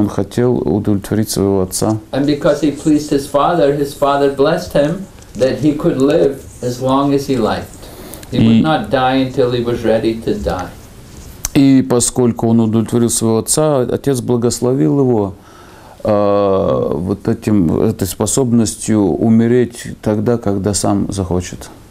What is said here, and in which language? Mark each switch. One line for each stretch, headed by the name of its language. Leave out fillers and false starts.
Russian: Он хотел удовлетворить своего отца.
English: And because he pleased his father blessed him that he could live as long as he liked. He would not die until he was ready to die.
Russian: И поскольку он удовлетворил своего отца, отец благословил его. Вот этим, этой способностью умереть тогда, когда сам захочет.